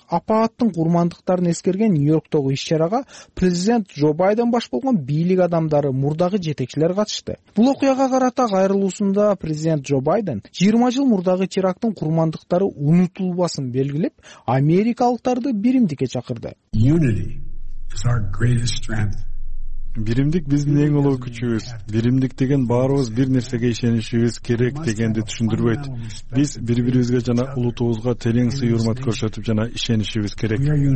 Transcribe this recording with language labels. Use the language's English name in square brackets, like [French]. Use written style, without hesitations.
[Kyrgyz] Апааттын курмандыктарын эскерген Нью-Йорктогу иш-чарага президент Джо Байден баш болгон бийлик адамдары, мурдагы жетекчилер катышты. Бул окуяга карата кайрылуусунда президент Джо Байден 20 жыл мурдагы терактын курмандыктары унутулбасын белгилеп, америкалыктарды биримдикке чакырды. [English] Unity is our greatest strength. [Kyrgyz] Биримдик биздин эң улуу күчүбүз. Биримдик деген баарыбыз бир нерсеге ишенишибиз керек дегенди түшүндүрбөйт. Биз бири-бирибизге жана улутубузга терең сый урмат көрсөтүп жана ишенишибиз керек.